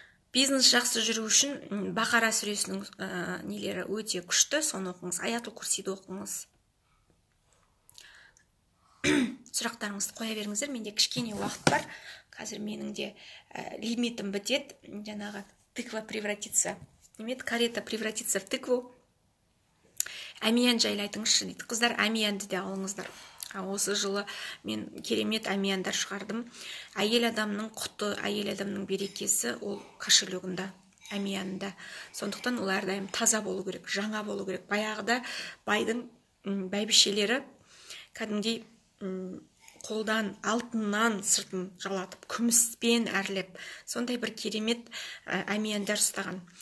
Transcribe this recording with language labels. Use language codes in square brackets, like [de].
[kk] Бизнес жақсы жүру үшін Бақара сүресінің нелері өте күшті, соны оқыңыз. Аятул Курсиді оқыңыз. Сұрақтарыңызды қоя беріңіздер. Менде кішкене уақыт бар. Қазір менің де лимитім бітет. [ru] Жаңағы тыква превратится. Немет, карета превратится в тыкву. [kk] Амиян жайлы айтыңызшы дейді. Қыздар, амиянды де алыңыздар. Осы жылы мен керемет амияндар шығардым. Әйел адамның құты, әйел адамның берекесі ол кошелегінде, амиянында. Сондықтан олар дайым таза болу керек, жаңа болу керек. Баяғыда байдың бәйбішелері кәдімгідей қолдан алтыннан сыртын жалатып, күміспен әрлеп, сондай бір керемет амияндар ұстаған.